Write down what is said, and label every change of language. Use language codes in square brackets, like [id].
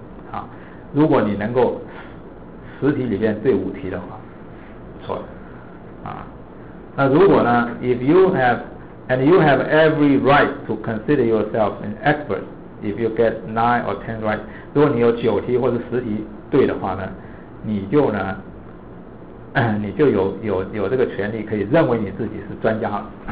[zh] 啊，如果你能够十题里面对五题的话，错了啊。那如果呢 [en] ，if you have every right to consider yourself an expert if you get 9 or 10 right. [zh] 如果你有九题或者十题对的话呢，你就呢，你就有这个权利可以认为你自己是专家了。